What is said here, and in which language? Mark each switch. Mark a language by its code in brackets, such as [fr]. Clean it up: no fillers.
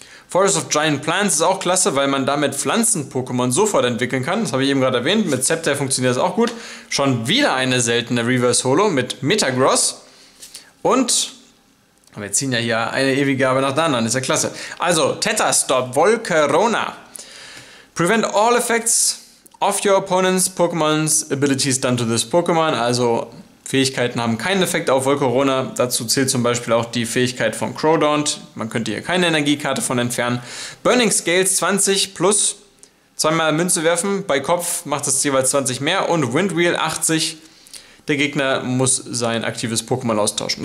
[de] Forest of Giant Plants ist auch klasse, weil man damit Pflanzen-Pokémon sofort entwickeln kann. Das habe ich eben gerade erwähnt. Mit Sceptile funktioniert das auch gut. Schon wieder eine seltene Reverse Holo mit Metagross. Und wir ziehen ja hier eine ewige Gabe nach der anderen, ist ja klasse. Also, Tetastop, Volcarona. [en] Prevent all effects of your opponent's Pokémon's abilities done to this Pokémon. [de] Also Fähigkeiten haben keinen Effekt auf Volcarona. Dazu zählt zum Beispiel auch die Fähigkeit von Crodont. Man könnte hier keine Energiekarte von entfernen. Burning Scales 20 plus. Zweimal Münze werfen. Bei Kopf macht es jeweils 20 mehr. Und Windwheel 80. Der Gegner muss sein aktives Pokémon austauschen.